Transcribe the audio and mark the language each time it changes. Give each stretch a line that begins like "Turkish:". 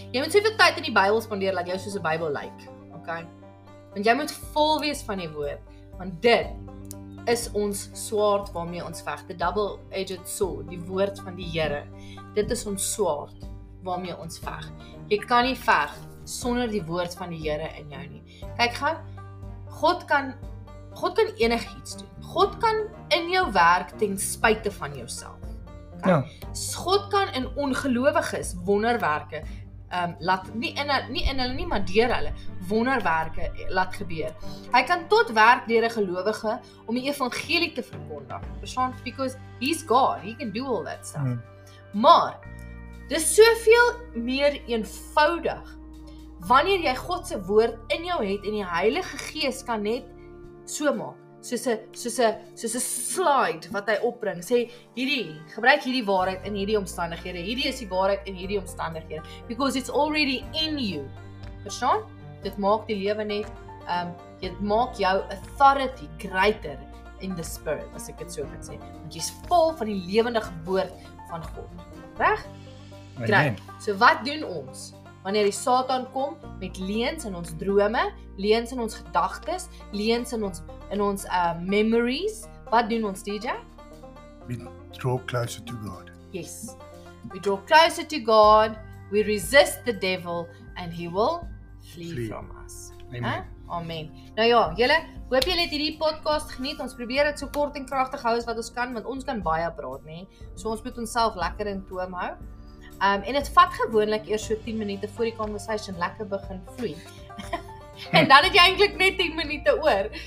Afrikaans: Jy moet soveel tyd in die Bybel spandeer, laat jou soos die Bybel lyk. Okay? Want jy moet vol wees van die woord. Want dit is ons swaard waarmee ons veg.
English: The double-edged sword,
Afrikaans: die woord van die Here. Dit is ons swaard waarmee ons veg. Jy kan nie veg sonder die woord van die Here in jou nie. Kyk gou, God kan enigiets doen. God kan in jou werk ten spyte van jouself. Ja. God kan in ongelowiges wonderwerke laat nie in hulle nie, maar deur hulle wonderwerke laat gebeur. Hy kan tot werk deur 'n gelowige om die evangelie te verkondig. Verstaan?
English: Because he's God, he can do all that stuff.
Afrikaans: Maar dis soveel meer eenvoudig wanneer jy God se woord in jou het en die Heilige Gees kan net so maak. Soos 'n slide wat hy opbring, sê gebruik hierdie waarheid in hierdie omstandighede, hierdie is die waarheid in hierdie omstandighede,
English: because it's already in you,
Afrikaans: verstaan? Dit maak die lewe net, dit maak jou
English: authority greater in the spirit,
Afrikaans: as ek dit so kan sê, want jy is vol van die lewendige woord van God, reg? Amen. So wat doen ons? Wanneer die Satan kom met leeuns in ons drome, leeuns in ons gedagtes, leeuns in ons memories, wat doen ons DJ?
English: We draw closer to God. Yes. We draw closer to God, we resist the devil and he will flee from us. Amen. Amen.
Afrikaans: Nou ja, julle, hoop julle het hierdie podcast geniet. Ons probeer dit so kort en kragtig hou as wat ons kan, want ons kan baie praat, nee. So ons moet onsself lekker in toom hou. En het vat gewoonlik eers so 10 minute voor die conversation lekker begin vloei. En dan het jy eintlik net 10 minute oor.